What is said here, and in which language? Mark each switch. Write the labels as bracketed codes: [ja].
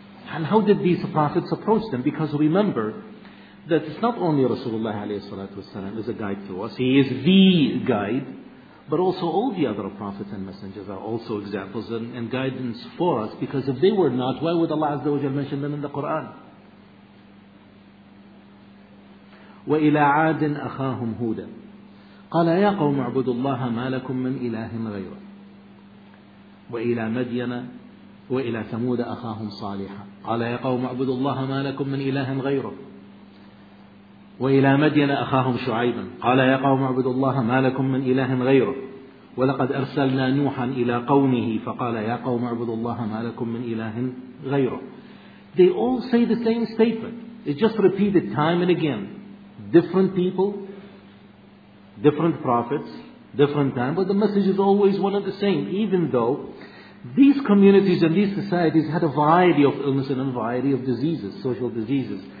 [en] And how did these prophets approach them? Because remember that it's not only Rasulullah alayhi salatu wasalam is a guide to us, he is the guide, but also all the other prophets and messengers are also examples and guidance for us, because if they were not, why would Allah Azza wa Jalla mention them in the Quran? [ar] وَإِلَىٰ عَادٍ أَخَاهُمْ هُودًا قَالَ يَا قَوْمُ اعْبُدُوا اللَّهَ مَا لَكُمْ مِنْ إِلَٰهٍ غَيْرًا وَإِلَىٰ مَدْيَنَ وَإِلَىٰ ثَمُودَ أَخَاهُمْ صَالِحًا قَالَ يَا قَوْمُ اعْبُدُوا اللَّهَ مَا لَكُمْ مِنْ إِلَٰهٍ غَيْرًا وإلى مدين أخاهم شعيبا قال يا قوم اعبدوا الله ما لكم من إله غيره ولقد أرسلنا نوحا إلى قومه فقال يا قوم اعبدوا الله ما لكم من إله غيره. [en] They all say the same statement. It's just repeated time and again. Different people, different prophets, different time, but the message is always one and the same, even though these communities and these societies had a variety of illness and a variety of diseases, social diseases.